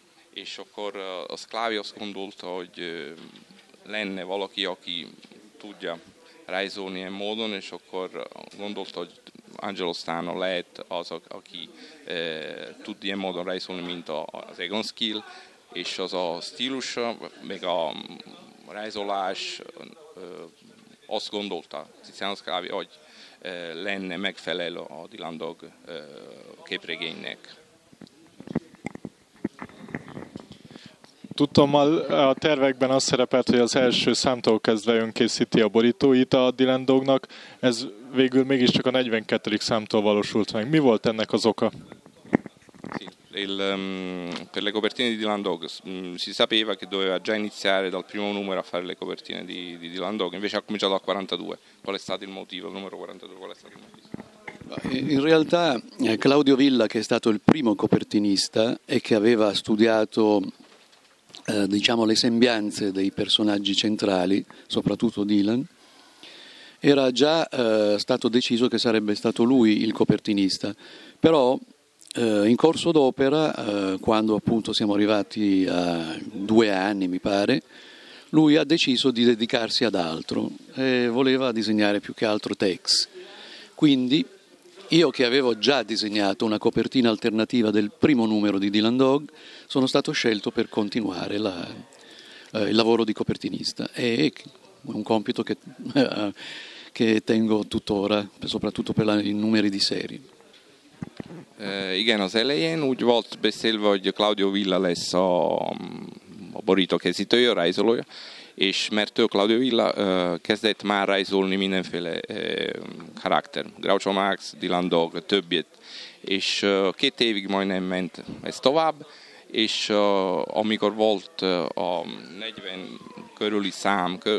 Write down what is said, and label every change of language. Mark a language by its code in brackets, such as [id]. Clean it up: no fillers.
[hu] És akkor a Sclavi azt gondolta, hogy lenne valaki, aki tudja rajzolni ilyen módon, és akkor gondolta, hogy Angelo Stano lehet az, aki tud ilyen módon rajzolni, mint az Egon Skill, és az a stílus, meg a rajzolás, azt gondolta Tiziano Sclavi, hogy lenne megfelelő a Dylan Dog képregénynek. Tudom, a tervekben az szerepelt, hogy az első számtól kezdve önkészíti a borítóit a Dylan Dognak. Ez végül mégiscsak a 42. számtól valósult meg. Mi volt ennek az oka? [it] Per le copertine di Dylan Dog si sapeva che doveva già iniziare dal primo numero a fare le copertine di Dylan Dog, invece ha cominciato al 42. Qual è stato il motivo? Il numero 42, qual è stato il motivo? In realtà Claudio Villa, che è stato il primo copertinista e che aveva studiato diciamo le sembianze dei personaggi centrali, soprattutto Dylan, era già stato deciso che sarebbe stato lui il copertinista, però in corso d'opera, quando appunto siamo arrivati a 2 anni, mi pare, lui ha deciso di dedicarsi ad altro e voleva disegnare più che altro Tex. Quindi io, che avevo già disegnato una copertina alternativa del primo numero di Dylan Dog, sono stato scelto per continuare il lavoro di copertinista. È un compito che tengo tuttora, soprattutto per i numeri di serie. [hu] Igen, az elején úgy volt beszélve, hogy Claudio Villa lesz a borítókészítője, a rajzolója, és mert ő, Claudio Villa, kezdett már rajzolni mindenféle karakter, Groucho Marx, Dylan Dog, többiet, és 2 évig majdnem ment ez tovább, és amikor volt a 40 körüli szám